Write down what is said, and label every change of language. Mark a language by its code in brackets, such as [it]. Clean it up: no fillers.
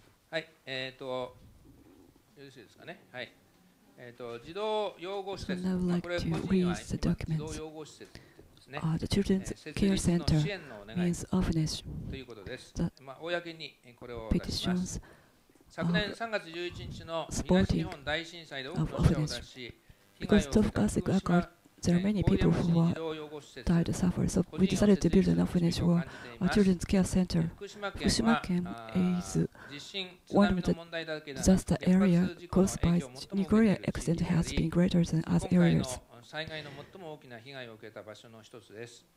[ja] はい、よろしいですかね。はい、児童養護施設、これ個人は今児童養護施設ですね。 [en] The children's care center means orphanage [ja] ということです。まあ公にこれを出します。昨年3月11日の東日本大震災で多くの死者を出し、被害を受けた福島、 [en] There are many people who are died and suffered, so we decided to build an orphanage for a children's care center. 福島県is one of the disaster area caused by nuclear accident has been greater than other areas. [ja] 今回の災害の最も大きな被害を受けた場所の一つです。